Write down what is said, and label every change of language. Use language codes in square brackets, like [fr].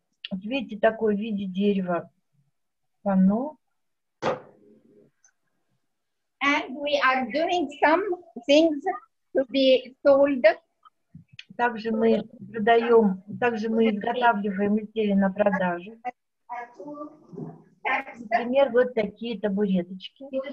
[ru] Вот видите, такое в виде дерева панно. [en] And we are doing some things to be sold. [ru] Также мы продаем, также мы изготавливаем изделия на продажу. Например, вот такие табуреточки.